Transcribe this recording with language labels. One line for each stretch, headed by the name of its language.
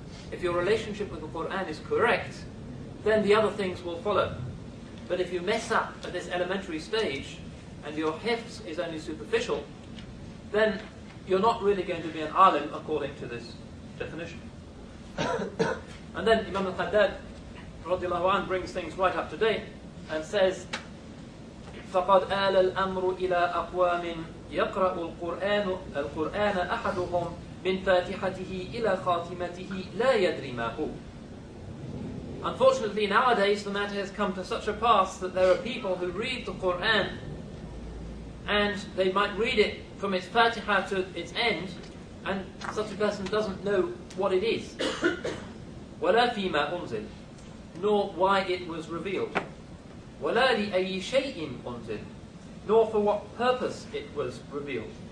English: If your relationship with the Qur'an is correct, then the other things will follow. But if you mess up at this elementary stage, and your hifz is only superficial, then you're not really going to be an alim according to this definition. And then Imam al-Haddad radiallahu anhu brings things right up to date and says,
Arabic: فَقَدْ آلَ الْأَمْرُ إِلَىٰ أَقْوَامٍ يَقْرَأُ الْقُرْآنَ أَحَدُهُمْ مِنْ فَاتِحَتِهِ إِلَىٰ خَاتِمَتِهِ لَا يَدْرِي مَا هُوَ.
English: Unfortunately, nowadays, the matter has come to such a pass that there are people who read the Qur'an and they might read it from its Fatiha to its end, and such a person doesn't know what it is,
Arabic: وَلَا فِي مَا أُنزِلْ,
English: nor why it was revealed,
Arabic: وَلَا لِأَيِّ شَيْءٍ أُنزِلْ,
English: nor for what purpose it was revealed.